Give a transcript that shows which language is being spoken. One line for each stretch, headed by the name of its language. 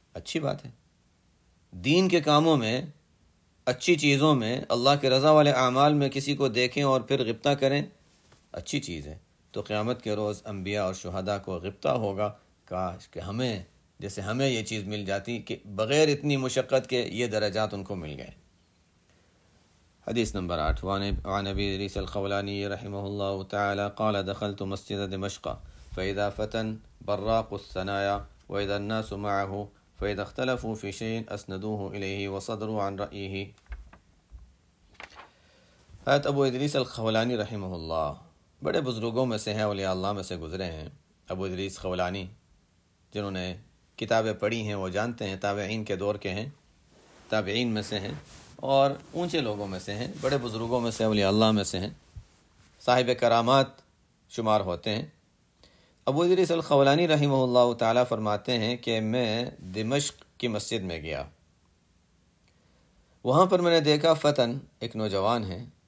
Urdu: اچھی بات ہے, دین کے کاموں میں, اچھی چیزوں میں, اللہ کے رضا والے اعمال میں کسی کو دیکھیں اور پھر غبطہ کریں, اچھی چیز ہے. تو قیامت کے روز انبیاء اور شہداء کو غبطہ ہوگا, کاش کہ ہمیں جیسے ہمیں یہ چیز مل جاتی کہ بغیر اتنی مشقت کے یہ درجات ان کو مل گئے. حدیث نمبر 8.
Arabic: وعن ابی ادریس الخولانی رحمہ اللہ تعالی قال دخلت مسجد دمشق فاذا فتن براق الثنایا واذا الناس معه فإذا اختلفوا في شيء أسندوه إليه وصدروا عن رأيه.
Urdu: حضرت ابو ادریس الخولانی رحمہ اللہ بڑے بزرگوں میں سے ہیں, اولیاء اللہ میں سے گزرے ہیں. ابو ادریس خولانی جنہوں نے کتابیں پڑھی ہیں وہ جانتے ہیں، تابعین کے دور کے ہیں، تابعین میں سے ہیں اور اونچے لوگوں میں سے ہیں، بڑے بزرگوں میں سے، اولیاء اللہ میں سے ہیں، صاحب کرامات شمار ہوتے ہیں۔ ابو ادریس الخولانی رحمہ اللہ تعالیٰ فرماتے ہیں کہ میں دمشق کی مسجد میں گیا، وہاں پر میں نے دیکھا فتن ایک نوجوان ہیں،